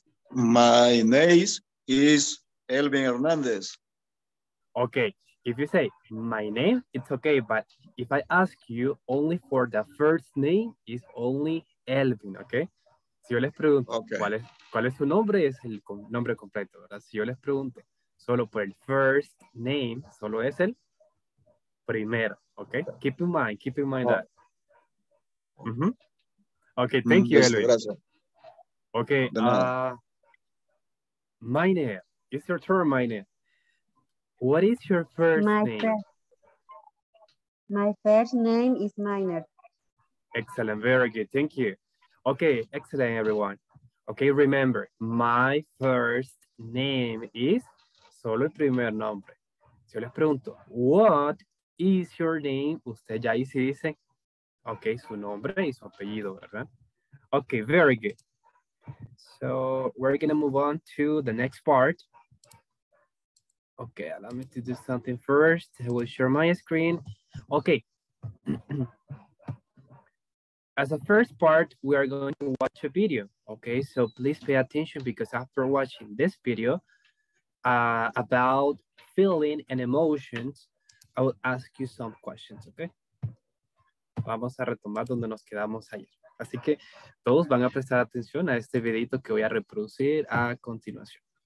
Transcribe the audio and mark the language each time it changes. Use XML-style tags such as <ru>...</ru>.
<en>My name is Elvin Hernandez. Okay, if you say my name, it's okay, but if I ask you only for the first name, it's only Elvin, okay?</en> <es>Si yo les pregunto cuál es su nombre, es el nombre completo, ¿verdad? Si yo les pregunto solo por el first name, solo es el primero, okay?</es> <en>Keep in mind that. Mm-hmm. Okay, thank you, Elvin.</en> <es>Gracias.</es> <en>Okay, Maine, it's your turn, Maine. What is your first name? My first name is Miner. Excellent, very good, thank you. Okay, excellent, everyone. Okay, remember, my first name is</en> <es>solo el primer nombre. Si yo les pregunto,</es> <en>what is your name?</en> <es>Usted ya ahí sí dice, okay, su nombre y su apellido, ¿verdad?</es> <en>Okay, very good. So we're gonna move on to the next part. Okay, allow me to do something first. I will share my screen. Okay. As a first part, we are going to watch a video. Okay, so please pay attention because after watching this video about feeling and emotions, I will ask you some questions, okay?</en> <es>Vamos a retomar donde nos quedamos ayer. Así que todos van a prestar atención a este videito que voy a reproducir a continuación.</es>